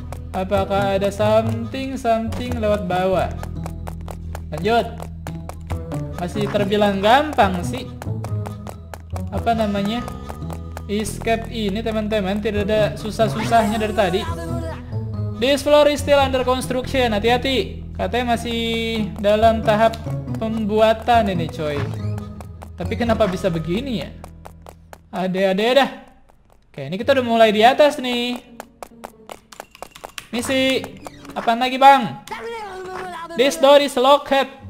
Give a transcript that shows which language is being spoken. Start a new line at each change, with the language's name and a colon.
Indonesian: Apakah ada something lewat bawah? Lanjut. Masih terbilang gampang sih. Apa namanya? Escape ini teman-teman tidak ada susah-susahnya dari tadi.
English: This floor is still under construction.
Indonesian: Hati-hati. Katanya masih dalam tahap pembuatan ini coy. Tapi kenapa bisa begini ya? Ade-ade dah. Oke, ini kita udah mulai di atas nih. Misi, apa lagi bang?
English: This door is locked.